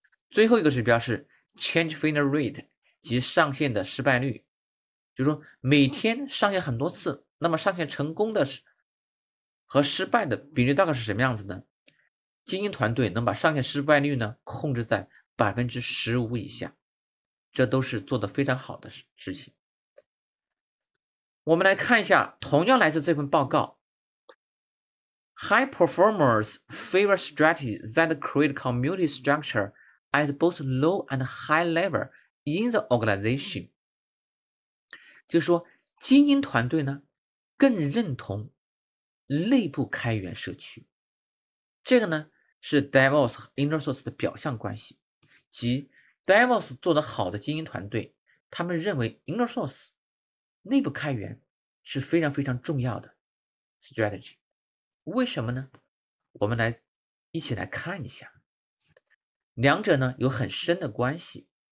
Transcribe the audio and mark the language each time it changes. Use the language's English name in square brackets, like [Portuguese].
[Chinese] 最后一个指标是 change failure rate， 即上线的失败率，就是说每天上线很多次，那么上线成功的和失败的比率大概是什么样子呢？精英团队能把上线失败率呢控制在 15% 以下，这都是做得非常好的事情。我们来看一下同样来自这份报告， [English] High performers favor strategies that create community structure at both low and high level in the organization， [Chinese] 就是说精英团队呢更认同内部开源社区。这个呢是 DevOps 和 Innersource 的表象关系，即 DevOps 做得好的精英团队，他们认为 Innersource 内部开源是非常非常重要的 strategy。为什么呢？我们来一起来看一下，两者呢有很深的关系。